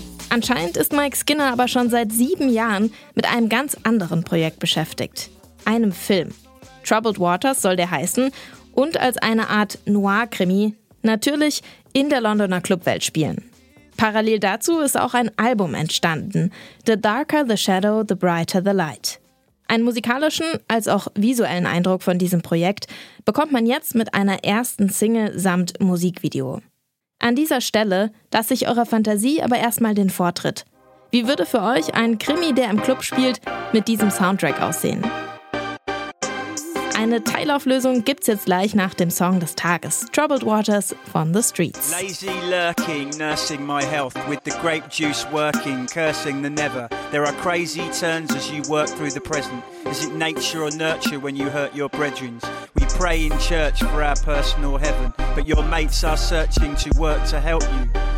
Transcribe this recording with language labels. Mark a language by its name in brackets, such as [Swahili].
[German] Anscheinend ist Mike Skinner aber schon seit 7 Jahren mit einem ganz anderen Projekt beschäftigt. Einem Film. Troubled Waters soll der heißen und als eine Art Noir-Krimi natürlich in der Londoner Clubwelt spielen. Parallel dazu ist auch ein Album entstanden. [English] The Darker the Shadow, the Brighter the Light. [German] Einen musikalischen als auch visuellen Eindruck von diesem Projekt bekommt man jetzt mit einer ersten Single samt Musikvideo. An dieser Stelle lasse ich eurer Fantasie aber erstmal den Vortritt. Wie würde für euch ein Krimi, der im Club spielt, mit diesem Soundtrack aussehen? Eine Teilauflösung gibt's jetzt gleich nach dem Song des Tages, Troubled Waters von The Streets. [English] Lazy lurking, nursing my health, with the grape juice working, cursing the never. There are crazy turns as you work through the present. Is it nature or nurture when you hurt your brethren? We pray in church for our personal heaven, but your mates are searching to work to help you.